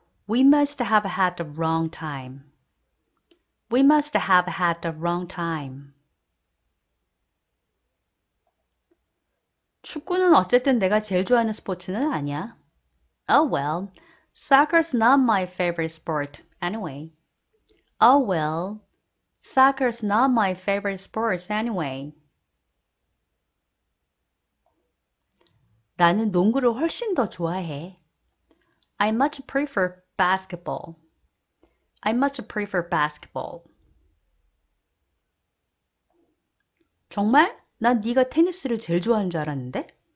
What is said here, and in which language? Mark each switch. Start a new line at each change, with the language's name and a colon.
English: We must have had the wrong time. We must have had the wrong time.
Korean: 축구는 어쨌든 내가 제일 좋아하는 스포츠는 아니야.
English: Oh well. Soccer's not my favorite sport, anyway. Oh well, soccer's not my favorite sports, anyway.
Korean: 나는 농구를 훨씬 더 좋아해.
English: I much prefer basketball. I much prefer basketball.
Korean: 정말? 난 네가 테니스를 제일 좋아하는 줄 알았는데?